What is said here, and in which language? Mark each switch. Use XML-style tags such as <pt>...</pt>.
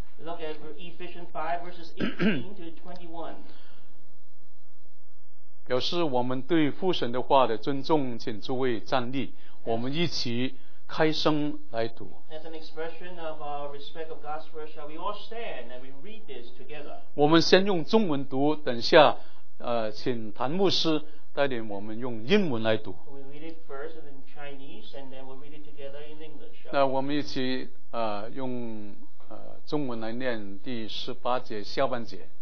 <en>Look at Ephesians 5 verses 18 to 21.</en> <zh>表示我们对父神的话的尊重，请诸位站立。我们一起开声来读</zh> <en>As an expression of our respect of God's word shall we all stand and we read this together</en> <zh>我们先用中文读等下请谭牧师带领我们用英文来读</zh> <en>We read it first in Chinese and then we'll read it together in English</en> <zh>那我们一起用中文来念第十八节下半节</zh>